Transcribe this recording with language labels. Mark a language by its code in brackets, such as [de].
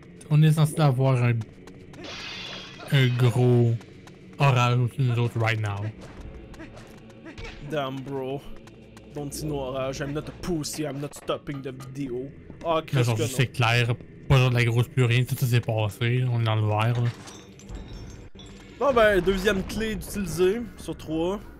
[fr] On est censé avoir un gros orage au-dessus de nous autres [en] right now. Damn bro, don't see no orage, I'm not a pussy, I'm not stopping the video. [fr] Ah, oh, qu'est-ce que non. C'est clair, pas genre de la grosse pluie, rien, tout ça s'est passé, on est dans le vert là. Bon ben, deuxième clé d'utiliser sur 3.